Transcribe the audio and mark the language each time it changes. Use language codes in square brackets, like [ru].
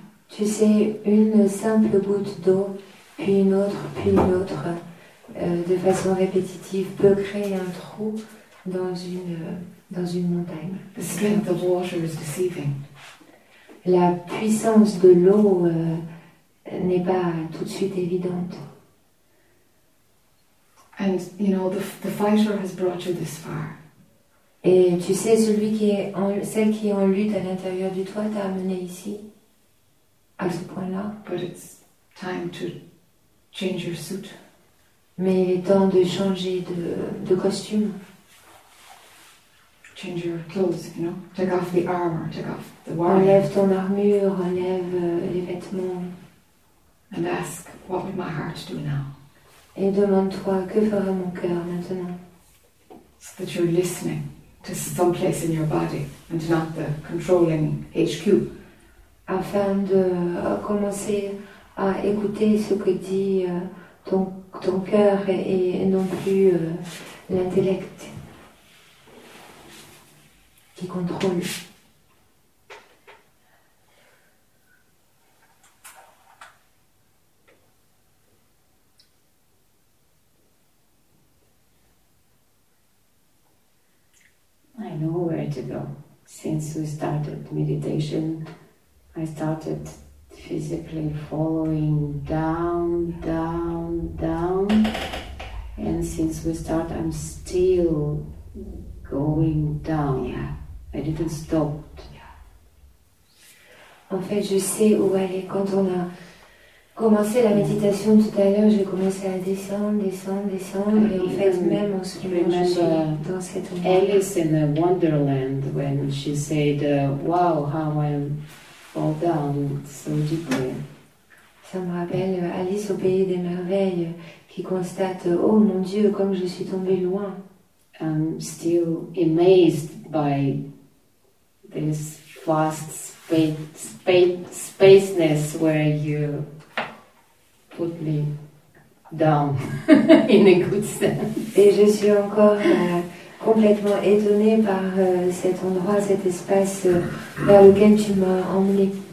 [fr] Tu sais, une simple goutte d'eau, puis une autre, de façon répétitive, peut créer un trou dans une montagne. [en] The strength of water is deceiving. [fr] La puissance de l'eau n'est pas tout de suite évidente. [en] And you know the fighter has brought you this far. [fr] Et tu sais celui qui est en, celle qui est en lutte à l'intérieur du toit t'a amené ici à ce point-là. [en] But it's time to change your suit. [fr] Mais il est temps de changer de costume. [en] Change your clothes, you know. Take off the armor. Take off the wiring. [fr] Enlève ton armure. Enlève les vêtements. [en] And ask, what would my heart do now? [fr] Et demande-toi, que fera mon cœur maintenant? [en] So that you're listening to some place in your body and not the controlling HQ. [fr] Afin de commencer à écouter ce que dit ton cœur et non plus l'intellect qui contrôle. [en] I know where to go. Since we started meditation, I started physically following down, down, down. And since we start, I'm still going down. Yeah. I didn't stop. Yeah. [fr] En fait, je sais où aller. Quand on a commencé la méditation tout à l'heure, j'ai commencé à descendre, descendre, descendre. Et en fait, même en ce moment, je suis dans cet endroit. [en] Alice in the Wonderland, when she said, wow, how I fall down so deeply. [fr] Ça me rappelle Alice au Pays des Merveilles, qui constate, oh mon Dieu, comme je suis tombée loin. [en] I'm still amazed by this fast speed. spaceness where you put me down in a good sense. [fr] Et je suis encore complètement étonnée par cet endroit, cet espace vers lequel tu m'as emmenée.